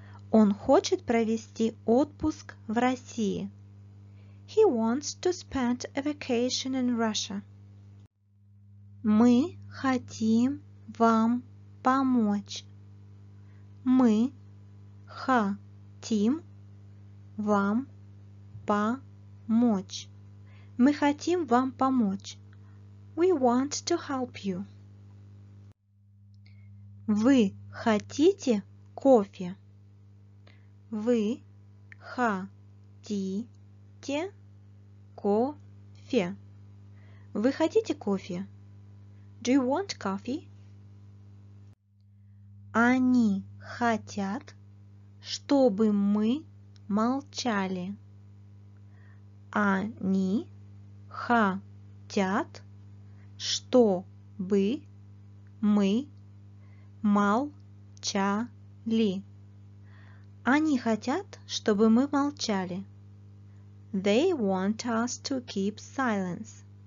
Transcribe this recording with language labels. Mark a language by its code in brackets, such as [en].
[ru] Он хочет провести отпуск в России. [en] He wants to spend a vacation in Russia. [ru] Мы хотим вам помочь. Мы хотим вам помочь. Мы хотим вам помочь. [en] We want to help you. [ru] Вы хотите кофе? Вы хотите кофе? Вы хотите кофе? [en] Do you want coffee? [ru] Они хотят, чтобы мы молчали. Они хотят, чтобы мы молчали. Они хотят, чтобы мы молчали. [en] They want us to keep silence.